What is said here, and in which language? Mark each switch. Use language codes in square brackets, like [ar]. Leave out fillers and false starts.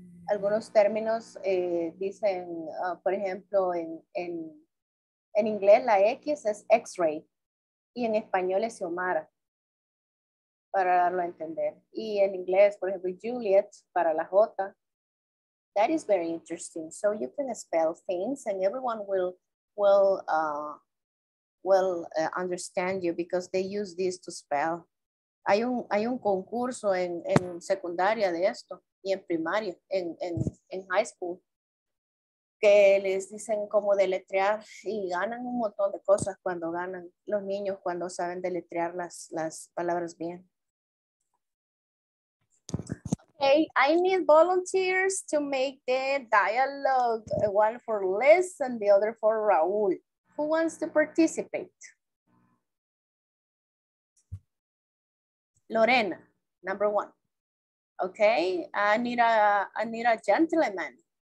[es] Algunos términos dicen, por ejemplo, en inglés la X es X-ray y en español es Xiomara, para darlo a entender. Y en inglés, por ejemplo, Juliet para la J. [en] That is very interesting. So you can spell things and everyone will understand you because they use this to spell. [es] Hay un concurso en secundaria de esto y en primaria, en [en] high school, [es] que les dicen cómo deletrear y ganan un montón de cosas cuando ganan los niños cuando saben deletrear las palabras bien. [en] Okay, I need volunteers to make the dialogue, one for Liz and the other for Raúl. Who wants to participate? Lorena, number one. Okay, I need a gentleman.